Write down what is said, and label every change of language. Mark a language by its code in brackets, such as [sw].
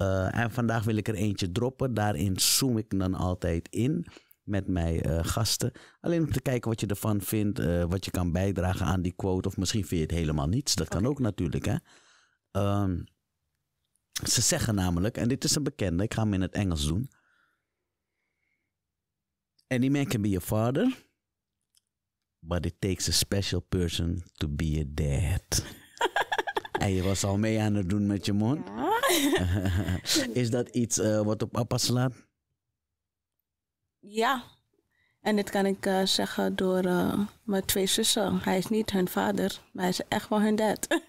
[nl] En vandaag wil ik er eentje droppen. Daarin zoom ik dan altijd in met mijn gasten. Alleen om te kijken wat je ervan vindt, wat je kan bijdragen aan die quote. Of misschien vind je het helemaal niets. Dat kan ook natuurlijk, hè. Ze zeggen namelijk, en dit is een bekende, ik ga hem in het Engels doen. [en] Any man can be your father, but it takes a special person to be a dad. [nl] En je was al mee aan het doen met je mond. Ja. Is dat iets wat op papa slaat? Ja. En dit kan ik zeggen door mijn twee zussen. Hij is niet hun vader, maar hij is echt wel hun dad.